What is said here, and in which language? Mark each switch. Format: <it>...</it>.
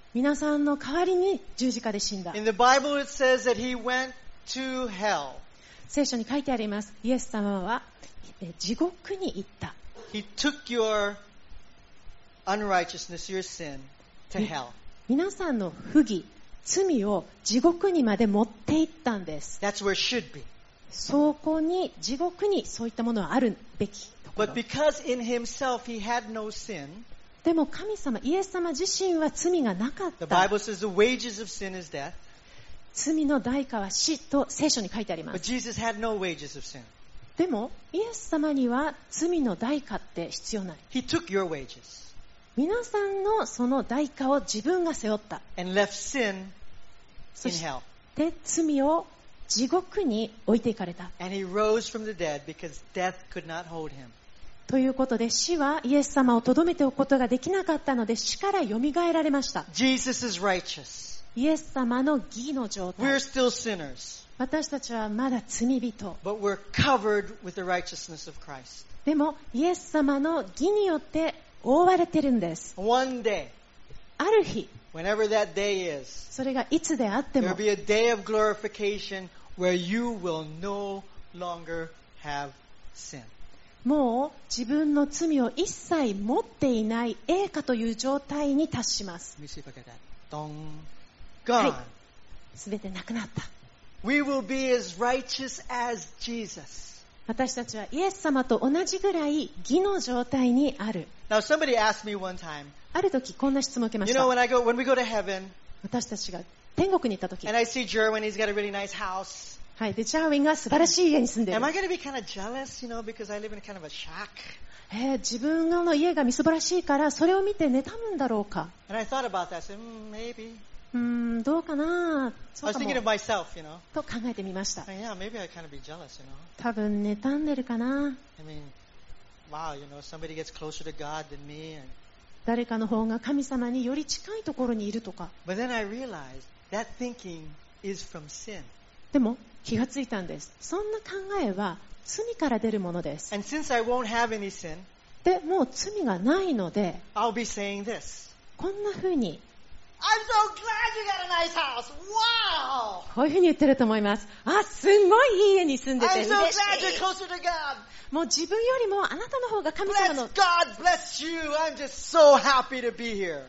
<ja>皆さんの代わりに十字架で死んだ。</ja> <en>In the Bible it says that he went to hell.</en> <ja>聖書に書いてあります。イエス様は地獄に行った。</ja> <en>He took your unrighteousness, your sin, to hell.</en> <ja>皆さんの不義、罪を地獄にまで持っていったんです。</ja> <en>That's where it should be.</en> <ja>そこに、地獄にそういったものはあるべき。</ja> <en>But because in himself he had no sin,</en> <ja>でも神様、イエス様自身は罪がなかった。</ja> <en>The Bible says the wages of sin is death.</en> <ja>罪の代価は死と聖書に書いてあります。</ja> <en>But Jesus had no wages of sin.</en> <ja>でもイエス様には罪の代価って必要ない。</ja> <en>He took your wages.</en> <ja>皆さんのその代価を自分が背負った。</ja> <en>And left sin in hell.</en> <ja>で罪を地獄に置いていかれた。</ja> <en>And he rose from the dead because death could not hold him.</en> <ja>ということで死はイエス様をとどめておくことができなかったので死からよみがえられました。</ja> <en>Jesus is righteous.</en> <ja>イエス様の義の状態。</ja> <en>We're still sinners.</en> <ja>私たちはまだ罪人。</ja> <en>But we're covered with the righteousness of Christ.</en> <ja>でもイエス様の義によって覆われてるんです。</ja> <en>One day.</en> <ja>ある日。</ja> <en>Whenever that day is,</en> <ja>それがいつであっても、</ja> <en>there will be a day of glorification where you will no longer have sin.</en> <ja>もう自分の罪を一切持っていない栄華という状態に達します。</ja> <en>Let me see if I get that. Dong. Gone.</en> <ja>すべてなくなった。</ja> <en>We will be as righteous as Jesus.</en> <ja>私たちはイエス様と同じぐらい義の状態にある。</ja> <en>Now somebody asked me one time.</en> <ja>ある時こんな質問を受けました。</ja> <en>you know, when we go to heaven,</en> <ja>私たちが天国に行った時</ja> <en>and I see Germany, he's got a really nice house.</en> <ja>はい、でチャーウィンが素晴らしい家に住んでいる。</ja> <en>Am I going to be kind of jealous, you know, because I live in kind of a shack?</en> <ja>自分の家が素晴らしいからそれを見て妬むんだろうか。</ja> <en>And I thought about that. I said, maybe.</en> <ja>どうかな。そうかも。</ja> <en>I was thinking of myself, you know.</en> <ja>と考えてみました。</ja> <en>And yeah, maybe I kind of be jealous, you know.</en> <ja>多分妬んでるかな。</ja> <en>I mean, wow, you know, somebody gets closer to God than me. And...</en> <ja>誰かの方が神様により近いところにいるとか。</ja> <en>But then I realized that thinking is from sin.</en> <ja>でも気がついたんです。そんな考えは罪から出るものです。</ja> <en>And since I won't have any sin,</en> <ja>でもう罪がないので、</ja> <en>I'll be saying this.</en> <ja>こんな風に、</ja> <en>I'm so glad you got a nice house. Wow!</en> <ja>こういう風に言ってると思います。あ、すごいいい家に住んでて嬉しい。</ja> <en>I'm so glad you're closer to God.</en> <ja>もう自分よりもあなたの方が神様の</ja> <en>Bless God, bless you. I'm just so happy to be here.</en>